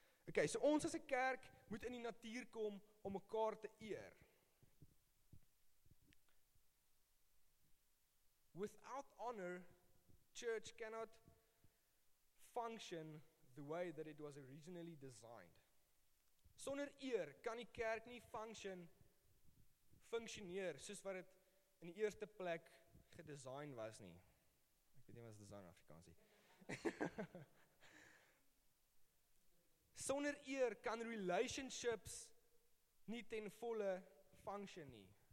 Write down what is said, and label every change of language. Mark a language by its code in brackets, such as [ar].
[af] Okay, so ons as 'n kerk moet in die natuur kom om mekaar te eer. [en] Without honor, church cannot function the way that it was originally designed. [af] Sonder eer kan die kerk nie funksioneer soos wat dit in die eerste plek gedesign was nie. Ek weet nie wat design Afrikaans is. Sonder eer kan relationships nie ten volle function nie.